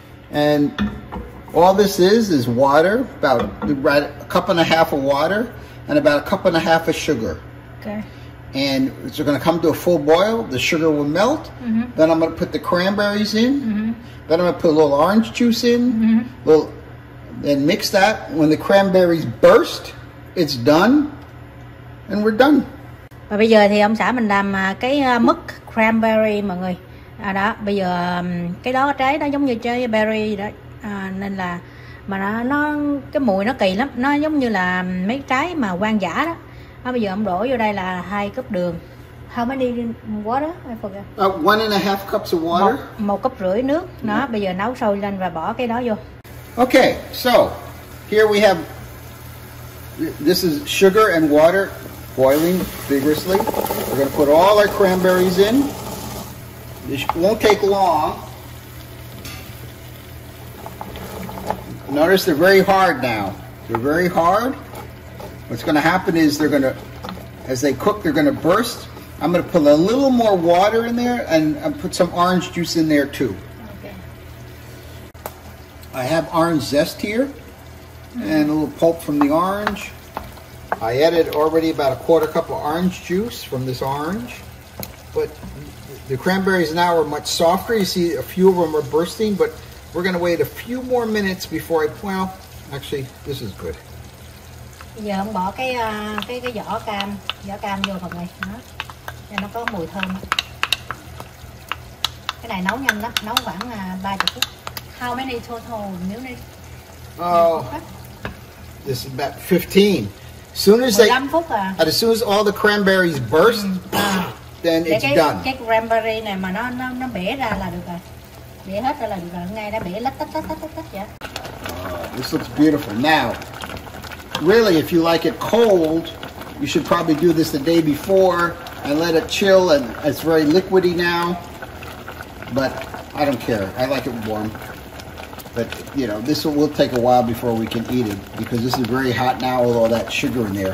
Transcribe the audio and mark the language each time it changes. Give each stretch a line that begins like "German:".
English: And all this is water, about a cup and a half of water, and about a cup and a half of sugar. Okay. And it's going to come to a full boil. The sugar will melt. Mm-hmm. Then I'm going to put the cranberries in. Mm-hmm. Then I'm going to put a little orange juice in. Mm-hmm. Then mix that. When the cranberries burst, it's done. And we're done.
Vietnamese: Và bây giờ thì ông xã mình làm cái mứt cranberry mọi người. À đó, bây giờ cái đó trái nó giống như trái berry đó. À, nên là mà nó cái mùi nó kỳ lắm, nó giống như là mấy trái mà hoang dã đó. À, bây giờ ông đổ vô đây là 2 cup đường.
English: How many water? I forgot. 1.5 cups of water.
Vietnamese: Một cup rưỡi nước. Đó, bây giờ nấu sôi lên và bỏ cái đó vô.
English: Okay. So, here we have this is sugar and water. Boiling vigorously. We're going to put all our cranberries in. This won't take long. Notice they're very hard now. They're very hard. What's going to happen is they're going to, as they cook, they're going to burst. I'm going to put a little more water in there and I'll put some orange juice in there too. Okay. I have orange zest here and a little pulp from the orange. I added already about a quarter cup of orange juice from this orange, but the cranberries now are much softer. You see a few of them are bursting, but we're going to wait a few more minutes before I, well, actually, this is good.
Vietnamese: Giờ ông bỏ cái giỏ cam vô phần này, cho nó có mùi thơm. Cái này nấu nhanh lắm, nấu khoảng 30 phút.
English: How many total?
Vietnamese: Nếu đây?
English: Oh, this is about 15. As soon as all the cranberries burst, then it's done.
Vietnamese: Cái cranberry này mà nó bể ra là được rồi. Bể hết rồi là được rồi. Ngay đã bể lách tách tách tách tách tách vậy.
English: This looks beautiful. Now, really, if you like it cold, you should probably do this the day before and let it chill, and it's very liquidy now. But I don't care. I like it warm. But, you know, this will take a while before we can eat it because this is very hot now with all that sugar in there.